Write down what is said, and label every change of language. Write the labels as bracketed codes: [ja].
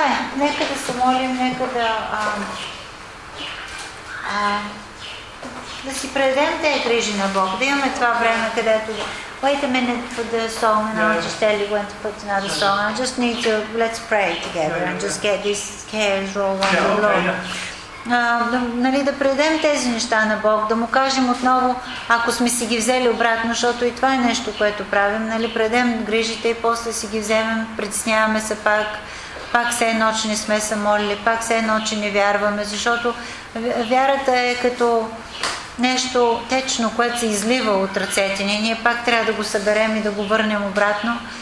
[bg] е, нека да се молим, нека да да си предадем тези грижи на Бог, да имаме това време, където [en] wait a minute for the song and I'll just tell you when to put another song. I just need to, let's pray together and just get this cares roll on the Lord. [bg] Нали, да предадем тези неща на Бог, да му кажем отново, ако сме си ги взели обратно, защото и това е нещо, което правим, нали, предадем грижите и после си ги вземем, притесняваме се пак, пак все едно, че не сме се молили, пак все едно, че не вярваме, защото вярата е като нещо течно, което се излива от ръцете ни, ние пак трябва да го съберем и да го върнем обратно.